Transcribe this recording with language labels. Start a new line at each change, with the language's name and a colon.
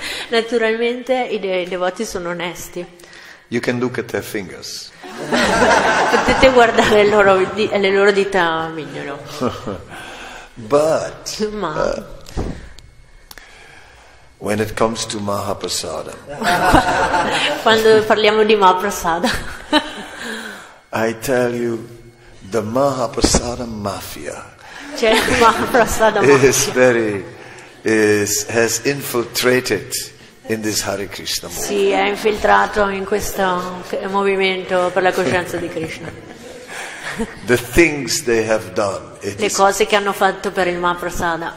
Italian: Naturalmente i devoti sono onesti.
English: You can look at their fingers.
Italian: Potete guardare le loro dita mignolo.
English: But when it comes to Mahaprasada.
Italian: Quando parliamo di Mahaprasada.
English: I tell you, the Mahaprasada mafia.
Italian: C'è la Mahaprasada mafia.
English: Has infiltrated in this Hare Krishna movement.
Italian: Sì, è infiltrato in questo movimento per la coscienza di Krishna.
English: The things they have done.
Italian: Le cose che hanno fatto per il Mahaprasada.